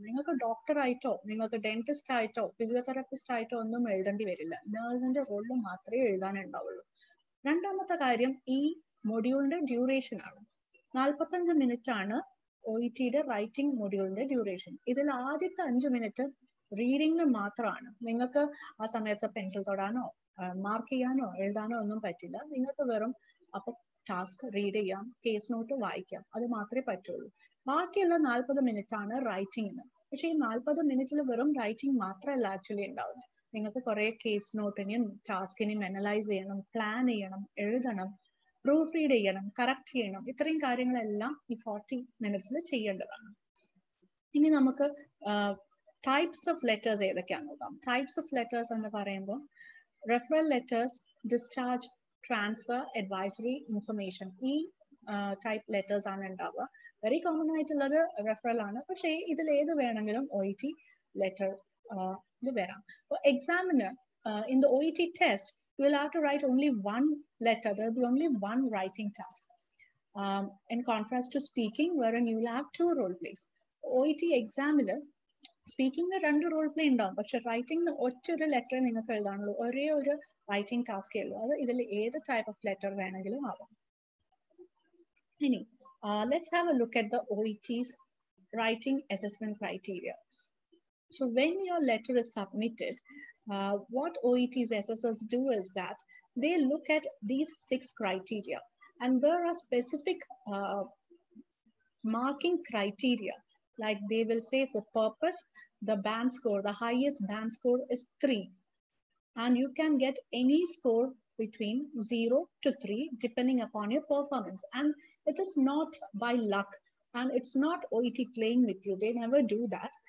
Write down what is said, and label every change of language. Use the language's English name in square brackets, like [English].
[Malayalam] Ningalku doctor aayito ningalku dentist aayito physiotherapist aayito onnum ezhudandi varilla. Nurse inde role maatre ezhudan undavullu. Randamatha karyam ee module inde duration aanu. 45 minute aanu OET de writing module inde duration. Idil aadhyatha 5 minute റീഡിങ്ങിന് മാത്രമാണ്. നിങ്ങൾക്ക് ആ സമയത്ത് pencil തൊടാനോ mark ചെയ്യാനോ എഴുതാനോ ഒന്നും പറ്റില്ല. നിങ്ങൾക്ക് വെറും അപ്പൊ ടാസ്ക് റീഡ് ചെയ്യാം, കേസ് നോട്ട് വായിക്കാം, അത് മാത്രമേ പറ്റുള്ളൂ. ബാക്കിയുള്ള 40 മിനിറ്റ് ആണ് റൈറ്റിംഗിന്. പക്ഷെ ഈ 40 മിനിറ്റിൽ വെറും റൈറ്റിംഗ് മാത്രമല്ല ആക്ച്വലി ഉണ്ടാവുന്നത്. നിങ്ങൾക്ക് കുറെ കേസ് നോട്ടിനെയും ടാസ്കിനെയും അനലൈസ് ചെയ്യണം, പ്ലാൻ ചെയ്യണം, എഴുതണം, പ്രൂഫ് റീഡ് ചെയ്യണം, കറക്റ്റ് ചെയ്യണം. ഇത്രയും കാര്യങ്ങളെല്ലാം ഈ 40 മിനിറ്റ്സിൽ ചെയ്യേണ്ടതാണ്. ഇനി നമുക്ക് types of letters ഏതൊക്കെയാ നോക്കാം. types of letters എന്ന് പറയുമ്പോൾ referral letters, discharge, transfer, advisory, information, ഈ type letters ആണ് ഉണ്ടാവുക. വെരി കോമൺ ആയിട്ടുള്ളത് referral ആണ്. പക്ഷേ ഇതിൽ ഏത് വേണമെങ്കിലും OET letter വരാം. [English] examiner in the OET test you will have to write only one letter. There will be only one writing task. In contrast to speaking, wherein you will have two role plays. [Malayalam] OET examiner സ്പീക്കിംഗിന് രണ്ട് role play ഉണ്ടാവും, പക്ഷെ റൈറ്റിംഗിന് ഒറ്റൊരു ലെറ്ററേ നിങ്ങൾക്ക് എഴുതാനുള്ളൂ. ഒരേ ഒരു writing ടാസ്കേ ഉള്ളൂ. അത് ഇതിൽ ഏത് ടൈപ്പ് ഓഫ് ലെറ്റർ വേണമെങ്കിലും ആവാം. [English] ഇനി let's have a look at the OET's writing assessment criteria. So when your letter is submitted, what OET's assessors do is that they look at these 6 criteria and there are specific marking criteria. Like they will say for purpose, the band score, the highest band score is 3. And you can get any score between 0 to 3 depending upon your performance. And it is not by luck. And it's not OET playing with you. They never do that.